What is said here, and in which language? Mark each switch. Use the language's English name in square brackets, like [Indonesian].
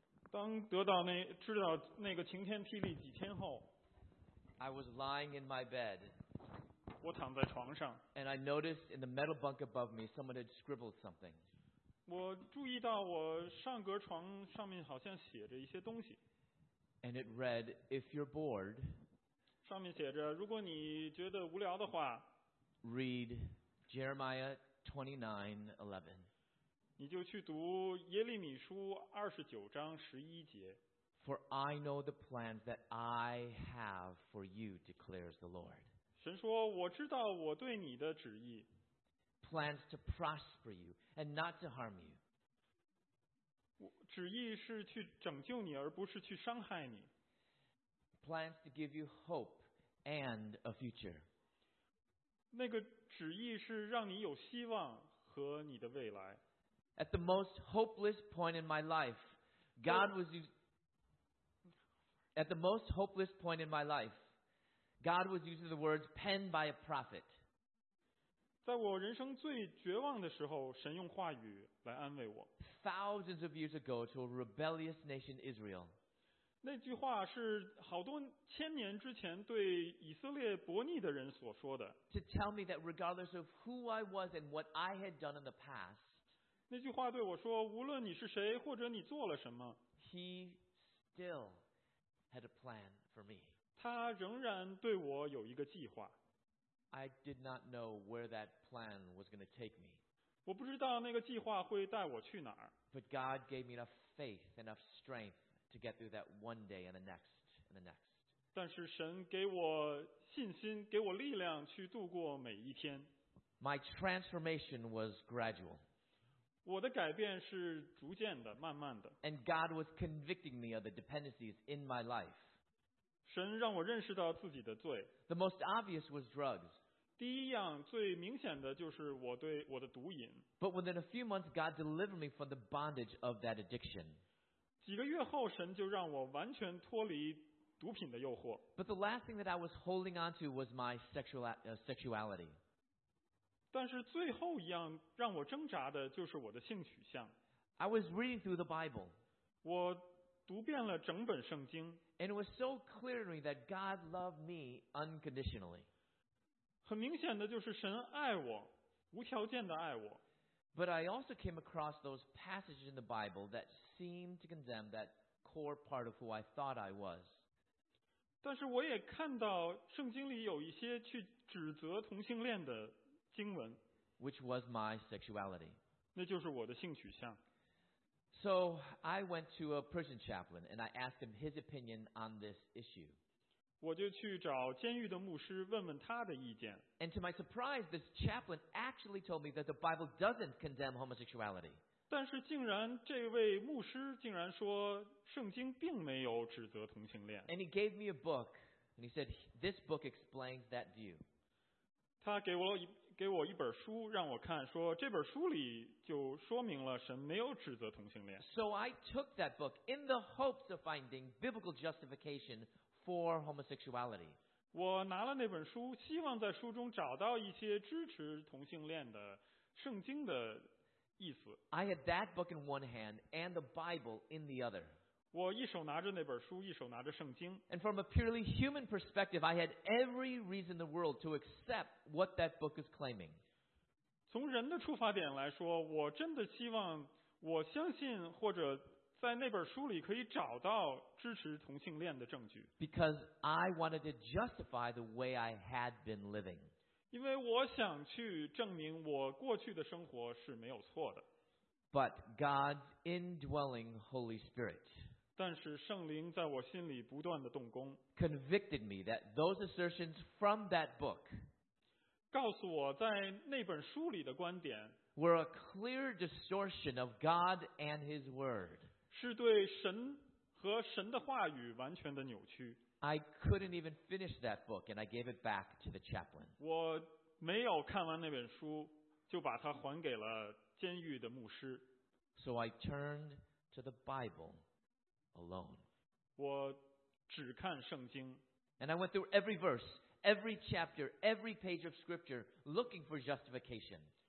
[Chinese] 当得到那知道那个晴天霹雳几天后 [English] ，I was lying in my bed. [Chinese] 我躺在床上 [English] and I noticed in the metal bunk above me someone had scribbled something. [Chinese] 我注意到我上格床上面好像写着一些东西 [English] and it read, if you're bored, [Chinese] 上面写着如果你觉得无聊的话 [English] read Jeremiah 29:11. [Chinese] 你就去读耶利米书29章11节 [English] For I know the plans that I have for you, declares the Lord. [Chinese] 神说我知道我对你的旨意 [English] plans to prosper you and not to harm you [Chinese] 旨意是去拯救你而不是去伤害你 [English] plans to give you hope and a future [Chinese] 那个旨意是让你有希望和你的未来 [English] at the most hopeless point in my life God was at the most hopeless point in my lifeGod was using the words penned by a prophet. [Chinese] 在我人生最绝望的时候，神用话语来安慰我。 [English] Thousands of years ago to a rebellious nation Israel. [Chinese] 那句话是好多千年之前对以色列伯逆的人所说的。 [English] To tell me that regardless of who I was and what I had done in the past. [Chinese] 那句话对我说，无论你是谁或者你做了什么。 [English] He still had a plan for me. [Chinese] 他仍然对我有一个计划。 [English] I did not know where that plan was going to take me. [Chinese] 我不知道那个计划会带我去哪儿。 [English] But God gave me enough faith, enough strength to get through that one day and the next and the next. [Chinese] 但是神给我信心，给我力量去度过每一天。 [English] My transformation was gradual. [Chinese] 我的改变是逐渐的，慢慢的。 [English] And God was convicting me of the dependencies in my life. [Chinese] 神让我认识到自己的罪。 [English] The most obvious was drugs. [Chinese] 第一样最明显的就是我对我的毒瘾。 [English] But within a few months, God delivered me from the bondage of that addiction. [Chinese] 几个月后，神就让我完全脱离毒品的诱惑。 [English] But the last thing that I was holding on to was my sexuality. [Chinese] 但是最后一样让我挣扎的就是我的性取向。 [English] I was reading through the Bible. [Chinese] 我读遍了整本圣经。 [English] And it was so clear to me that God loved me unconditionally. [Chinese] 很明显的就是神爱我，无条件的爱我。 [English] But I also came across those passages in the Bible that seemed to condemn that core part of who I thought I was. [Chinese] 但是我也看到圣经里有一些去指责同性恋的经文。 [English] Which was my sexuality. [Chinese] 那就是我的性取向。 [English] So I went to a prison chaplain and I asked him his opinion on this issue. [Chinese] 我就去找监狱的牧师问问他的意见。 [English] And to my surprise, this chaplain actually told me that the Bible doesn't condemn homosexuality. [Chinese] 但是竟然这位牧师竟然说圣经并没有指责同性恋。 [English] And he gave me a book and he said this book explains that view. [Chinese] 他给我一本书让我看说这本书里就说明了神没有指责同性恋。 [English] So I took that book in the hopes of finding biblical justification for homosexuality. [Chinese] 我拿了那本书希望在书中找到一些支持同性恋的圣经的意思。 [English] I had that book in one hand and the Bible in the other. [Chinese] 我一手拿着那本书一手拿着圣经。 [English] And from a purely human perspective, I had every reason in the world to accept what that book is claiming. [Chinese] 从人的出发点来说我真的希望我相信或者在那本书里可以找到支持同性恋的证据。 [English] Because I wanted to justify the way I had been living. [Chinese] 因为我想去证明我过去的生活是没有错的。 [English] But God's indwelling Holy Spirit [Chinese] 但是圣灵在我心里不断的动工 [English] convicted me that those assertions from that book [Chinese] 告诉我在那本书里的观点 [English] were a clear distortion of God and His Word [Chinese] 是对神和神的话语完全的扭曲 [English] I couldn't even finish that book and I gave it back to the chaplain [Chinese] 我没有看完那本书就把它还给了监狱的牧师。 [English] So I turned to the Bible alone. [Chinese] 我只看圣经。 [English] And I went through every verse, every chapter, every page of scripture looking for justification.